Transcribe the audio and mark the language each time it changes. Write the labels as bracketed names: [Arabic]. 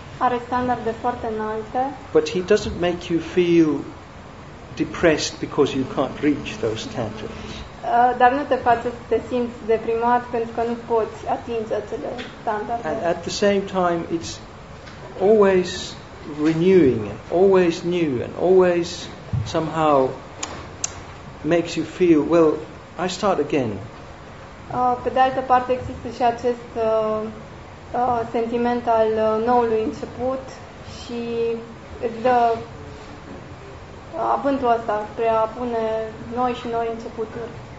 [Romanian] Are standarde foarte înalte. [English] But he doesn't make you feel depressed because you can't reach those standards. [Romanian] Dar nu te face să te simți deprimat pentru că nu poți atinge acele standarde. [English] And at the same time, it's always renewing and always new and always somehow makes you feel, well, I start again. [Romanian] Pe de altă parte există și acest sentiment al noului început și îți dă avântul ăsta spre a pune noi și noi începuturi.